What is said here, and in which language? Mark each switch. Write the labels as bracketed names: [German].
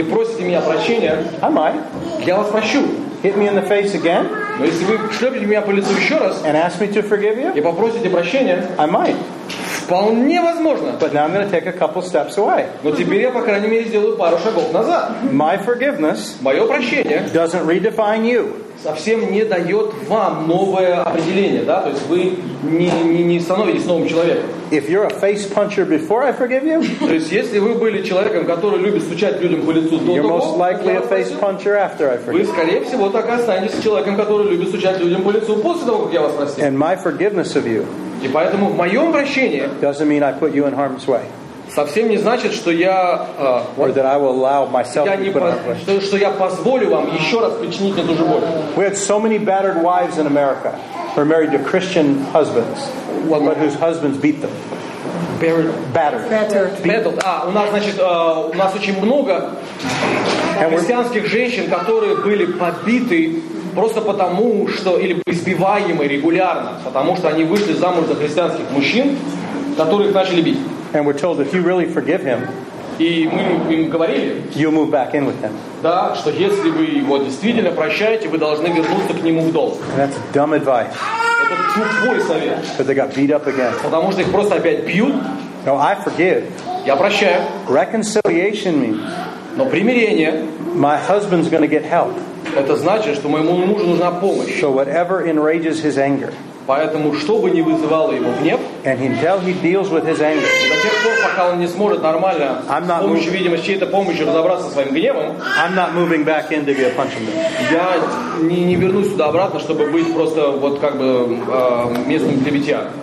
[Russian] и просите меня прощения, [English] I might, [Russian] я вас прощу. [English] Hit me in the face again, [Russian] Но если вы шлепнете меня по лицу еще раз [English] and ask me to forgive you, [Russian] и попросите прощения, [English] I might. [Russian] Вполне возможно. [English] But now I'm going to take a couple steps away. [Russian] Но теперь я, по крайней мере, сделаю пару шагов назад. [English] My forgiveness, [Russian] мое прощение, [English] doesn't redefine you. [Russian] Совсем не дает вам новое определение, да? То есть вы не становитесь новым человеком. [English] If you're a face puncher before I forgive you, [Russian] то есть если вы были человеком, который любит стучать людям по лицу до того, [English] you're most likely a face puncher after I forgive. [Russian] Вы скорее всего так и останетесь человеком, который любит стучать людям по лицу после того, как я вас простил. [English] And my forgiveness of you, [Russian] и поэтому в моем прощении, [English] doesn't mean I put you in harm's way. [Russian] Совсем не значит, что я, [English] or that I will allow myself to put up with. [Russian] Что я позволю вам еще раз причинить мне ту же боль. [English] We had so many battered wives in America who are married to Christian husbands, well, but whose husbands beat them. Battered. [Russian] У нас, значит, у нас очень много христианских женщин, которые были побиты просто потому, что или избиваемы регулярно, потому что они вышли замуж за христианских мужчин, которые их начали бить. [English] And we're told if you really forgive him, [Russian] и мы им говорили, [English] you'll move back in with him. [Russian] Да, что если вы его действительно прощаете, вы должны вернуться к нему в долг. [English] And that's dumb advice. [Russian] Это тупой совет. [English] But they got beat up again. [Russian] Потому что их просто опять бьют. [English] No, I forgive. [Russian] Я прощаю. [English] Reconciliation means. [Russian] Но примирение. [English] My husband's going to get help. [Russian] Это значит, что моему мужу нужна помощь. [English] So whatever enrages his anger. [Russian] Поэтому, что бы ни вызывало его гнев, [English] until he deals with his anger, [Russian] до тех пор, пока он не сможет нормально с помощью, видимо, чьей-то помощи разобраться со своим гневом, [English] I'm not moving back in to be a punching bag. [Russian] Я не вернусь сюда обратно, чтобы быть просто вот как бы местным для битья.